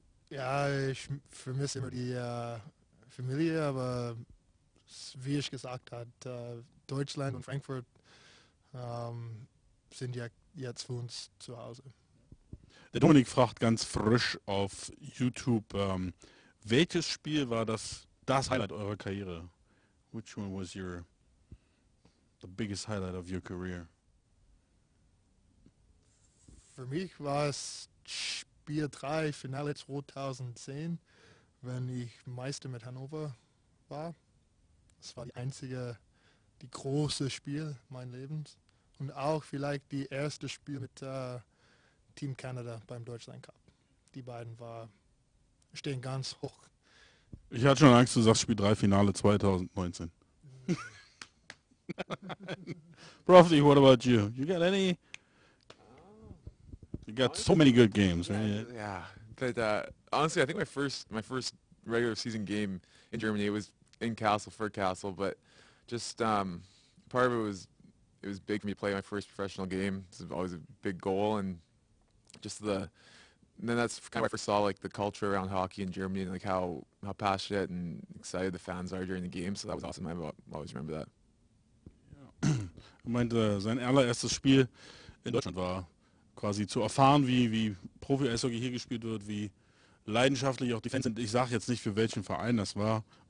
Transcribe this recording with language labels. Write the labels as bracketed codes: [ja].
[de] Ja, ich vermisse immer die Familie, aber wie ich gesagt habe, Deutschland und Frankfurt sind ja jetzt für uns zu Hause. Der Dominik fragt ganz frisch auf YouTube, welches Spiel war das Highlight eurer Karriere? [en] Which one was the biggest highlight of your career? [de] Für mich war es Spiel 3, Finale 2010, wenn ich Meister mit Hannover war. Das war die große Spiel meines Lebens. Und auch vielleicht die erste Spiel mit Team Canada beim Deutschland Cup. Die beiden stehen ganz hoch. Ich hatte schon Angst, du sagst Spiel 3, Finale 2019. [en] Profi, what about you? You got any? You got so many good games, right? Yeah, but honestly, I think my first regular season game in Germany, it was in Kassel, for Kassel, but just part of it was big for me to play my first professional game. It's always a big goal, and just then that's kind of where I saw like the culture around hockey in Germany and like how passionate and excited the fans are during the game. So that was awesome. I always remember that. [de] Er meinte, sein allererstes Spiel in Deutschland war quasi zu erfahren, wie Profi-Eishockey hier gespielt wird, wie leidenschaftlich auch die Fans sind. Ich sage jetzt nicht, für welchen Verein das war.